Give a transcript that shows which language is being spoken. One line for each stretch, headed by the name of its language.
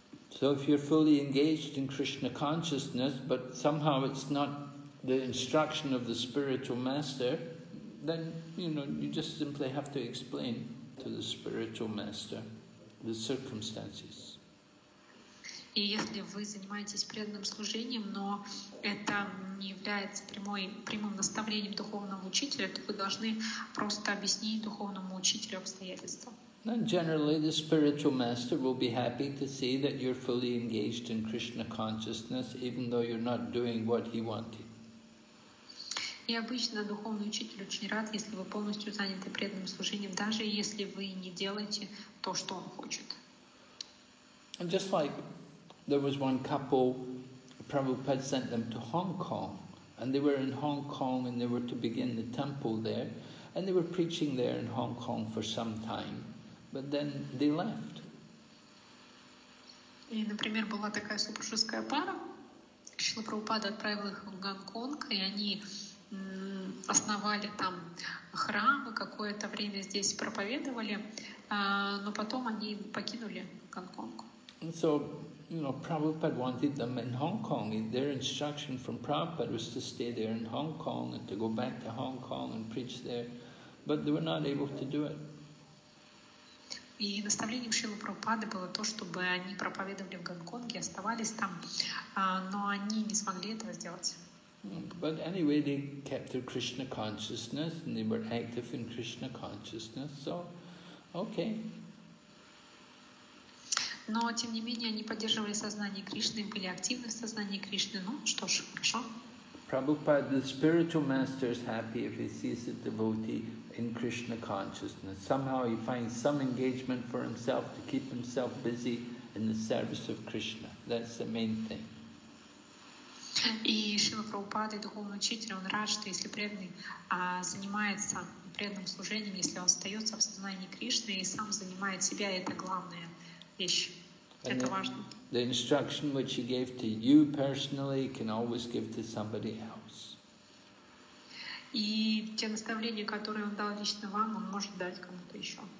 English: So if you're fully engaged in Krishna consciousness, but somehow it's not the instruction of the spiritual master, then you know you just simply have to explain to the spiritual master the circumstances.
Russian: И если вы занимаетесь преданным служением, но это не является прямым наставлением духовного учителя, то вы должны просто объяснить духовному учителю обстоятельства.
English: And generally the spiritual master will be happy to see that you're fully engaged in Krishna consciousness, even though you're not doing what he wanted.
Russian: И обычно духовный учитель очень рад, если вы полностью заняты преданным служением, даже если вы не делаете то, что он хочет.
English: And just like there was one couple, Prabhupada sent them to Hong Kong And they were in Hong Kong, and they were to begin the temple there. And they were preaching there in Hong Kong for some time. But then they left.
Russian: И, например, была такая супружеская пара. Шрила Прабхупада отправил их в Гонконг, и они основали там храм, какое-то время здесь проповедовали, но потом они покинули Гонконг.
English: And so, you know, Prabhupada wanted them in Hong Kong. Their instruction from Prabhupada was to stay there in Hong Kong and to go back to Hong Kong and preach there, but they were not able to do it.
Russian: И наставлением Шрилы Прабхупады было то, чтобы они проповедовали в Гонконге, оставались там, но они не смогли этого сделать.
English: But anyway, they kept their Krishna consciousness and they were active in Krishna consciousness, so okay.
Russian: Но тем не менее они поддерживали сознание Кришны, были активны в сознании Кришны. Ну что ж, хорошо.
English: Prabhupada, the spiritual master is happy if he sees a devotee in Krishna consciousness. Somehow he finds some engagement for himself to keep himself busy in the service of Krishna. That's the main thing.
Russian: И Шрила Прабхупада, духовный учитель, он рад, что если преданный занимается преданным служением, если он остается в сознании Кришны и сам занимает себя, это главная вещь. And это важно.
English: The instruction which he gave to you personally can always give to somebody else.
Russian: И те наставления, которые он дал лично вам, он может дать кому-то еще.